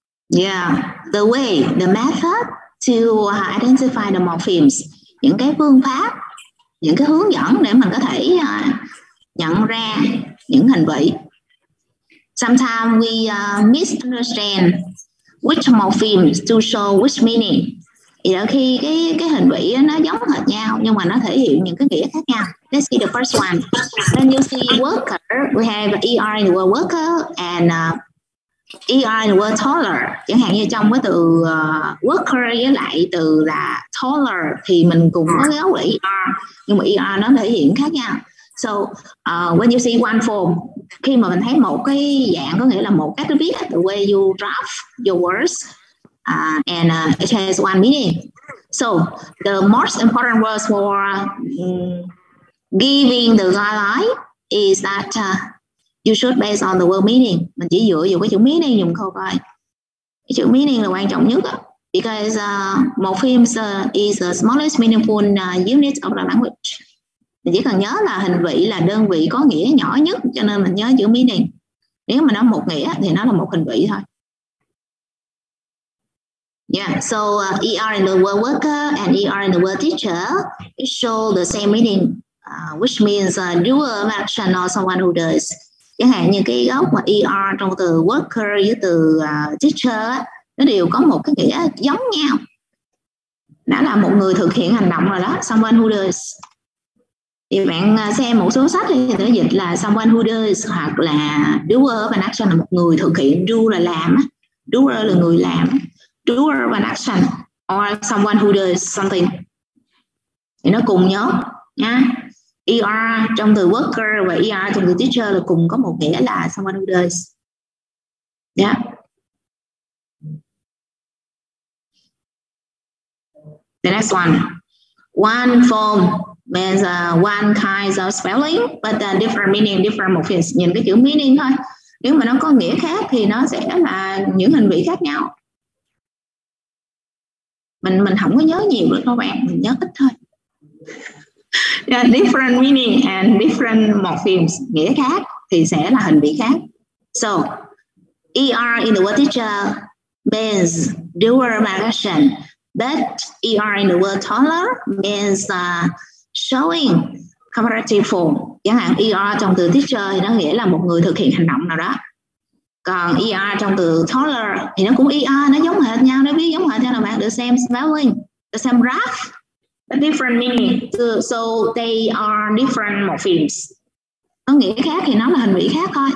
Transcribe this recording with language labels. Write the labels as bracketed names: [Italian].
[English] The way, the method to identify the morphemes, [Vietnamese] những cái phương pháp, những cái hướng dẫn để mình có thể nhận ra những hành vi. [English] Sometimes we misunderstand which morphemes to show which meaning. [Vietnamese] Thì khi cái hình vị nó giống hệt nhau nhưng mà nó thể hiện những cái nghĩa khác nhau. [English] Let's see the first one. Then you see worker, we have ER in the word worker and ER in the word taller. [Vietnamese] Chẳng hạn như trong cái từ worker với lại từ là taller thì mình cùng có dấu là ER, nhưng mà ER nó thể hiện khác nhau. [English] So when you see one form, [Vietnamese] khi mà mình thấy một cái dạng, có nghĩa là một cách viết, [English] the way you draft your words, and it has one meaning. So the most important words for giving the guideline is that you should base on the word meaning. [Vietnamese] Mình chỉ dựa vào cái chữ meaning dùng câu coi. Cái chữ meaning là quan trọng nhất. [English] Because morphemes is the smallest meaningful unit of the language. [Vietnamese] Mình chỉ cần nhớ là hình vị là đơn vị có nghĩa nhỏ nhất, cho nên mình nhớ chữ meaning. Nếu mà nó một nghĩa thì nó là một hình vị thôi. [English] Yeah, so ER in the word worker and ER in the word teacher, it show the same meaning, which means doer of action or someone who does. [Vietnamese] Chẳng hạn như cái gốc mà ER trong từ worker với từ teacher, nó đều có một cái nghĩa giống nhau. Đã là một người thực hiện hành động rồi đó, [English] someone who does. [Vietnamese] Thì bạn xem một số sách thì nó dịch là someone who does, hoặc là [English] doer of action [Vietnamese] là một người thực hiện, do là làm, doer là người làm. [English] Doer of an action or someone who does something. [Vietnamese] Thì nó cùng nhớ nha. ER trong từ worker và ER trong từ teacher là cùng có một nghĩa là [English] someone who does. [Vietnamese] Yeah. [English] The next one. One form means one kind of spelling, but a different meaning, different morphemes. [Vietnamese] Nhìn cái chữ meaning thôi. Nếu mà nó có nghĩa khác thì nó sẽ là những hình vị khác nhau. Mình không có nhớ nhiều nữa các bạn, mình nhớ ít thôi. [English] Yeah, different meaning and different morphemes, [Vietnamese] nghĩa khác thì sẽ là hình vị khác. [English] So, ER in the word teacher means doer of action, but ER in the word taller means showing comparative form. [Vietnamese] Chẳng hạn ER trong từ teacher thì nó nghĩa là một người thực hiện hành động nào đó. Còn ER trong từ toddler thì nó cũng ER, nó giống hệt nhau, nó biết giống hệt nhau là bạn, [English] the same spelling, the same graph, a different meaning. So they are different morphemes. [Vietnamese] Nó nghĩa khác thì nó là hình vị khác thôi.